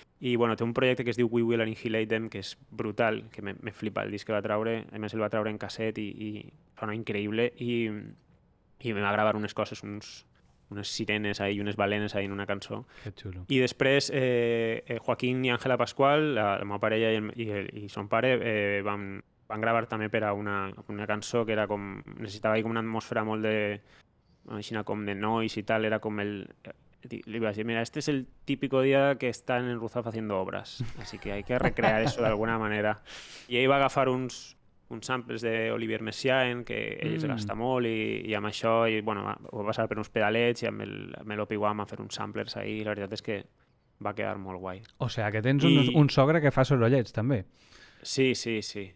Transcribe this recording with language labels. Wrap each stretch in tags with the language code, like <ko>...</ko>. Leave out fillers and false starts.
<ca>I bueno, té un projecte que es diu We Will Annihilate Them, que és brutal, que me flipa el disc que va traure, a més el va traure en casset i sona increïble, i me va gravar unes coses, unes sirenes ahí, unes balenes ahí en una cançó. Que xulo. I després Joaquín i Ángela Pascual, la meva parella i son pare, van gravar també per a una cançó que era com... Necessitava com una atmosfera molt de... Aixina com de noise i tal, era com el... Li vaig dir, mira,</ca> <es>este es el típico día que están en Ruzafa haciendo obras, así que hay que recrear eso de alguna manera.</es> <ca>I ell va agafar uns samples d'Olivier Messiaen, que ell es gasta molt, i amb això, i bueno, va passar per uns pedalets, i amb l'Opiwam a fer uns samplers ahí, i la veritat és que va quedar molt guai. O sea, que tens un sogre que fa sorollets, també. Sí, sí, sí.</ca>